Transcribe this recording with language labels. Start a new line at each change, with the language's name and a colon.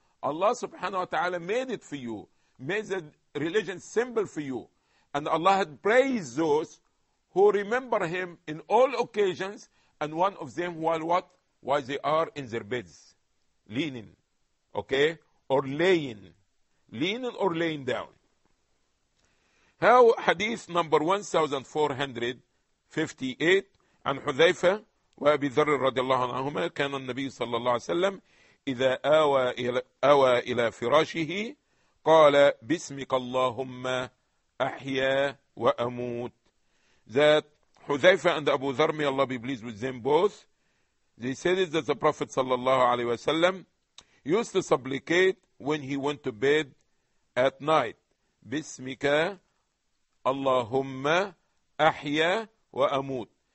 English: Allah subhanahu wa ta'ala made it for you, made the religion simple for you. And Allah had praised those who remember Him in all occasions. And one of them while what? While they are in their beds, leaning, okay? Or laying. Leaning or laying down. How hadith number 1458
Arabic: عن حذيفة وأبي ذر رضي الله عنهما كان النبي صلى الله عليه وسلم إذا آوى إلى فراشه قال باسمك اللهم أحيا وأموت.
English: That Hudhaifa and Abu Dharr, may Allah be pleased with them both, they said that the Prophet sallallahu alaihi wasallam used to supplicate when he went to bed at night.
Arabic: Bismika Allahumma ahya wa amut.